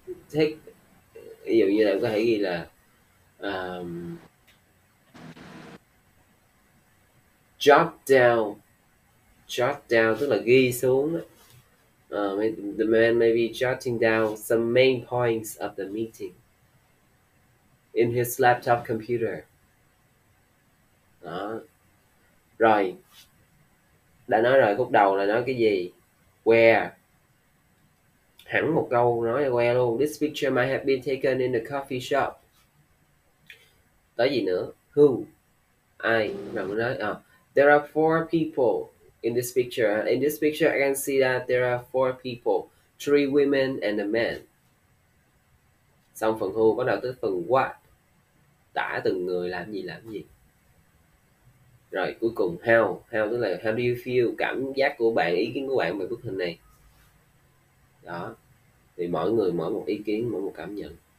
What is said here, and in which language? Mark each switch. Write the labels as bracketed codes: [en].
[vi] Thế ví dụ như là có thể ghi là [en] jot down [vi] tức là ghi xuống. [en] The man may be jotting down some main points of the meeting in his laptop computer. [vi] Đó. Rồi. Đã nói rồi, khúc đầu là nói cái gì? Where? Hẳn một câu nói where luôn. [en] This picture might have been taken in the coffee shop. [vi] Tới gì nữa? Who? Ai? Rồi mới nói. [en] There are four people in this picture. In this picture, I can see that there are four people. Three women and a man. [vi] Xong phần who, bắt đầu tới phần what. Tả từng người làm gì. Rồi cuối cùng how tức là [en] how do you feel, [vi] cảm giác của bạn, ý kiến của bạn về bức hình này. Đó. Thì mỗi người mỗi một ý kiến, mỗi một cảm nhận.